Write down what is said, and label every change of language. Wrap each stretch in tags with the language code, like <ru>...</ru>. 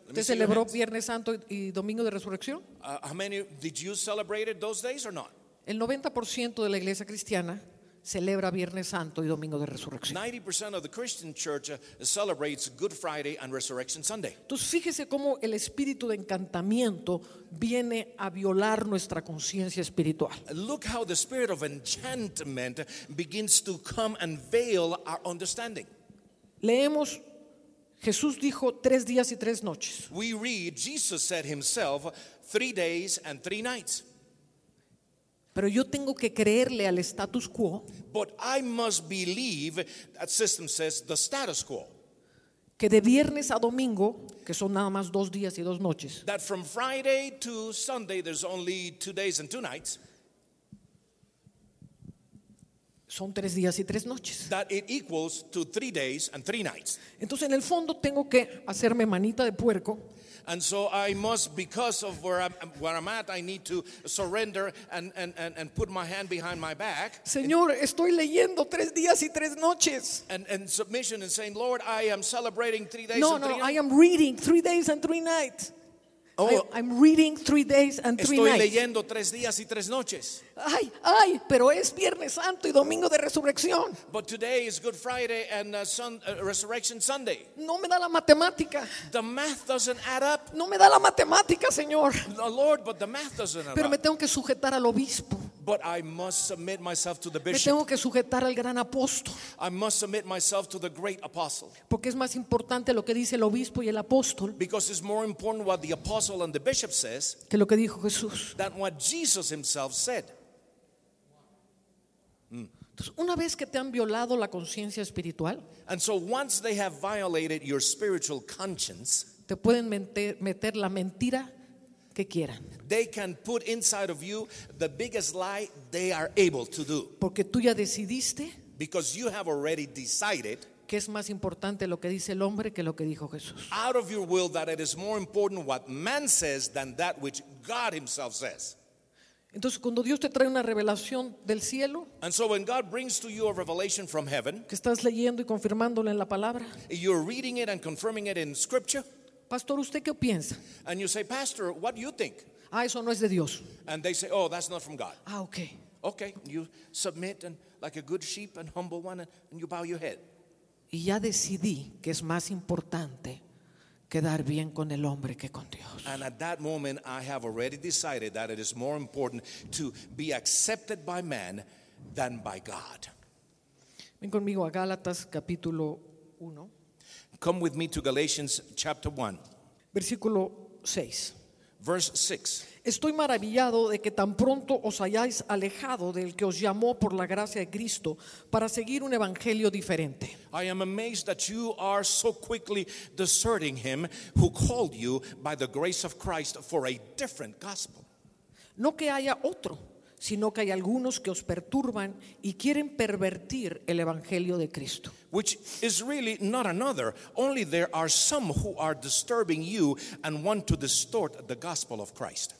<es>¿Te celebró Viernes Santo y Domingo de Resurrección?</es> <en>How many did you celebrate those days or not?</en> <es>El 90% de la iglesia cristiana celebra Viernes Santo y Domingo de Resurrección.</es> <en>90% of the Christian church celebrates Good Friday and Resurrection Sunday.</en> <es>Entonces fíjese cómo el espíritu de encantamiento viene a violar nuestra conciencia espiritual.</es> <en>Look how the spirit of enchantment begins to come and veil our understanding.</en> <es>Leemos, Jesús dijo tres días y tres noches.</es> <en>We read, Jesus said himself 3 days and 3 nights.</en> <es>Pero yo tengo que creerle al status quo.</es> <en>But I must believe, that system says, the status quo.</en> <es>Que de viernes a domingo, que son nada más 2 días y 2 noches.</es> <en>That from Friday to Sunday, there's only 2 days and 2 nights.</en> <es>Son 3 días y 3 noches.</es> <en>That it equals to 3 days and 3 nights.</en> <es>Entonces, en el fondo, tengo que hacerme manita de puerco.</es> <en>And so I must, because of where I'm at, I need to surrender and put my hand behind my back.</en> <es>Señor, estoy leyendo 3 días y 3 noches.</es> <en>And submission and saying, Lord, I am celebrating 3 days</en> <es>no,</es> <en>and 3 nights. No, I am reading 3 days and 3 nights. Oh, I'm reading 3 days and 3 nights.</en> <es>Estoy leyendo 3 días y 3 noches. Ay, ay, pero es Viernes Santo y Domingo de Resurrección.</es> <en>But today is Good Friday and Resurrection Sunday.</en> <es>No me da la matemática.</es> <en>The math doesn't add up.</en> <es>No me da la matemática, Señor.</es> <en>The Lord, but the math doesn't add up.</en> <es>Pero me tengo que sujetar al obispo.</es> <en>But I must submit myself to the bishop.</en> <es>Me tengo que sujetar al gran apóstol.</es> <en>I must submit myself to the great apostle.</en> <es>Porque es más importante lo que dice el obispo y el apóstol.</es> <en>Because it's more important what the apostle and the bishop says.</en> <es>Que lo que dijo Jesús.</es> <en>Than what Jesus himself said.</en> <es>Entonces, una vez que te han violado la conciencia espiritual.</es> <en>And so once they have violated your spiritual conscience.</en> <es>Te pueden meter la mentira que quieran.</es> <en>They can put inside of you the biggest lie they are able to do.</en> <es>Porque tú ya decidiste.</es> <en>Because you have already decided.</en> <es>Que es más importante lo que dice el hombre que lo que dijo Jesús.</es> <en>Out of your will that it is more important what man says than that which God himself says.</en> <es>Entonces cuando Dios te trae una revelación del cielo.</es> <en>And so when God brings to you a revelation from heaven.</en> <es>Que estás leyendo y confirmándolo en la palabra.</es> <en>You're reading it and confirming it in scripture.</en> <es>Pastor, ¿usted qué piensa?</es> <en>And you say, Pastor, what do you think?</en> <es>Ah, eso no es de Dios.</es> <en>And they say, oh, that's not from God. Ah, okay. Okay, you submit and like a good sheep and humble one and you bow your head.</en> <es>Y ya decidí que es más importante quedar bien con el hombre que con Dios.</es> <en>And at that moment I have already decided that it is more important to be accepted by man than by God.</en> <es>Ven conmigo a Gálatas capítulo 1.</es> <en>Come with me to Galatians chapter 1.</en> <es>Versículo 6.</es> <en>Verse 6.</en> <es>Estoy maravillado de que tan pronto os hayáis alejado del que os llamó por la gracia de Cristo para seguir un evangelio diferente.</es> <en>I am amazed that you are so quickly deserting him who called you by the grace of Christ for a different gospel.</en> <es>No que haya otro, sino que hay algunos que os perturban y quieren pervertir el evangelio de Cristo.</es> <en>Which is really not another, only there are some who are disturbing you and want to distort the gospel of Christ.</en>